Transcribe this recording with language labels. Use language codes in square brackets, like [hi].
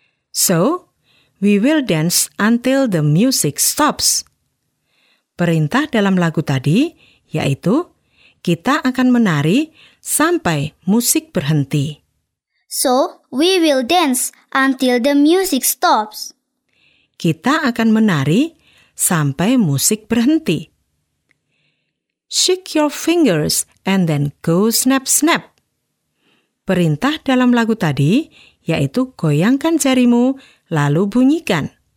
[en] So, we will dance until the music stops. [id] Perintah dalam lagu tadi yaitu kita akan menari sampai musik berhenti. [en] So, we will dance until the music stops. [id] Kita akan menari sampai musik berhenti. [en] Shake your fingers and then go snap snap. [id] Perintah dalam lagu tadi yaitu goyangkan jarimu lalu bunyikan.